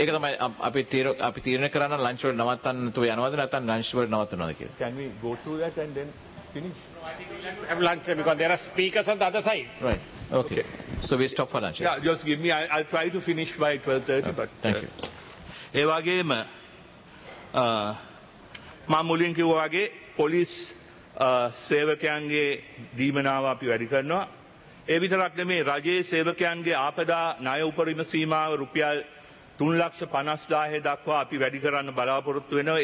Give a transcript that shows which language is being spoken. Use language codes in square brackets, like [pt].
[si] ඒක තමයි අපි තීරණය කරන්න ලන්ච් වලට නවත්තන්න තු යනවද නැත්නම් ලන්ච් වලට නවත්වනවද කියලා. [en] Can we go to that and then finish? No, I think we'll have lunch because there are speakers on the other side. Right. Okay. So we stop for lunch. Yeah, just give me I'll try to finish by 12:30 okay. But thank you. [si] ඒ වගේම මම මුලින් කිව්වා වගේ police සේවකයන්ගේ දීමනාව අපි වැඩි කරනවා. ඒ විතරක් නෙමේ, රජයේ සේවකයන්ගේ ආපදා ණය උපරිම සීමාව රුපියල් 350,000 දක්වා අපි වැඩි කරන්න බලාපොරොත්තු වෙනවා.